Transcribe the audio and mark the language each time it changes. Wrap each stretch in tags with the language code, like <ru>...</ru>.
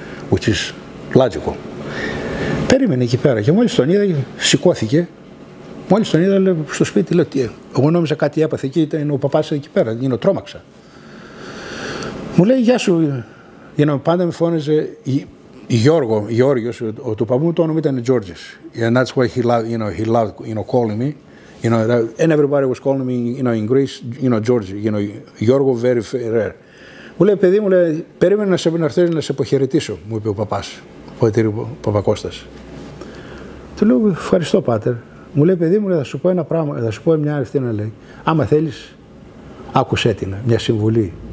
<en>Which is logical.</en> <el>Περίμενε εκεί πέρα και μόλις τον είδα, σηκώθηκε. Μόλις τον είδα στο σπίτι, λέω, εγώ νόμιζα κάτι έπαθε εκεί, ήταν ο παπάς εκεί πέρα, you know, τρόμαξα. Μου λέει, γεια σου, you know, πάντα με φώνεζε Γιώργο, Γιώργιος, του παππού μου το όνομα ήταν Γιώργης.</el> <en>And that's why he loved, you know, calling me. You know, and everybody was calling me, you know, in Greece, you know, George, you know, Γιώργο, very rare.</en> <el>Μου λέει, παιδί μου, λέει, περίμενε να σε έρθω να σε αποχαιρετήσω, μου είπε ο παπάς, ο Παπακώστας. Του λέω, ευχαριστώ, πάτερ. Μου λέει, παιδί μου, θα σου πω ένα πράγμα, θα σου πω μια αριθμή, λέει, άμα θέλεις, άκουσέ την, μια συμβουλή.</el>